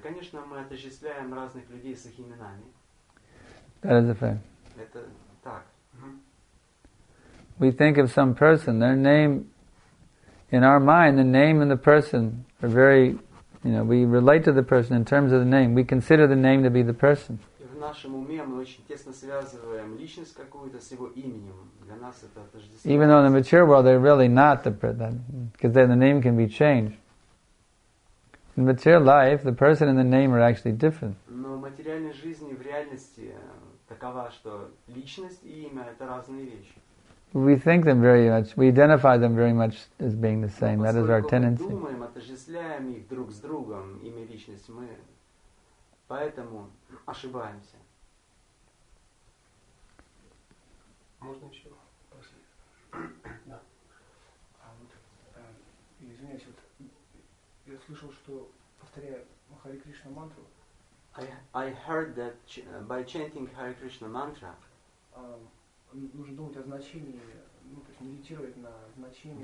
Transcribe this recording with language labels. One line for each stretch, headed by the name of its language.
Russian: Конечно, мы отождествляем разных людей с их именами.
English: That is a fact.
Russian: Это так.
English: We think of some person, their name, in our mind, the name and the person are very, we relate to the person in terms of the name. We consider the name to be the person.
Russian: В нашем уме мы очень тесно связываем личность какую-то с его именем. Для нас это отождествляется.
English: Even though in the material world they're really not the person, because then the name can be changed. In material life, the person and the name are actually different.
Russian: Но в материальной жизни, в реальности, такова, что личность и имя это разные вещи.
English: We think them very much. We identify them very much as being the same. That is our tendency.
Russian: Поскольку мы думаем, отождествляем их друг с другом, имя и личность, мы поэтому ошибаемся. Можно еще? Прошу. Да. Извиняюсь, вот я слышал, что повторяя Махари Кришна мантру.
English: I heard that by chanting Hare Krishna mantra,
Russian: нужно думать о значении, ну то есть медитировать на значение.